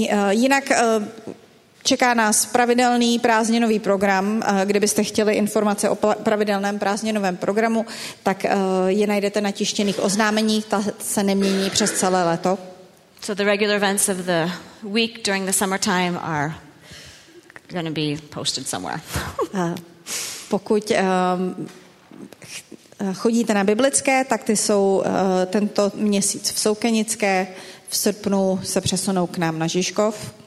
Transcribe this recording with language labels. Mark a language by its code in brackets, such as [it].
[cs] Jinak čeká nás pravidelný prázdninový program. Kdybyste chtěli informace o pravidelném prázdninovém programu, tak je najdete na tištěných oznámeních. Ta se nemění přes celé léto. [en] So the regular events of the week during the summertime are going to be posted somewhere. [cs] Pokud chodíte na biblické, tak ty jsou tento měsíc v Soukenické, v srpnu se přesunou k nám na Žižkov.